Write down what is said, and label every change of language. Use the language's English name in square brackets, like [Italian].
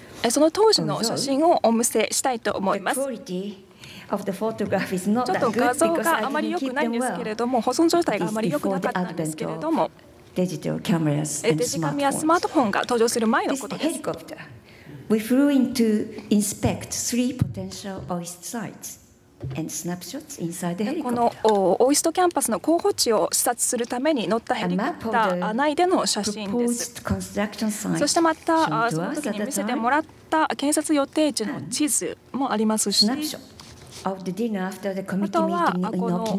[Japanese] その当時の写真をお見せしたいと思います。ちょっと画像があまり良くないんですけれども、保存状態があまり良くなかったんですけれども、デジカメやスマートフォンが登場する前のことです。 [English] We flew in to inspect three potential OIST sites and snapshots inside the helicopter. [Japanese] このOIST キャンパスの候補地を視察するために乗ったヘリコプター内での写真です。そしてまた、その時に見せてもらった建設予定地の地図もありますし、あとはこの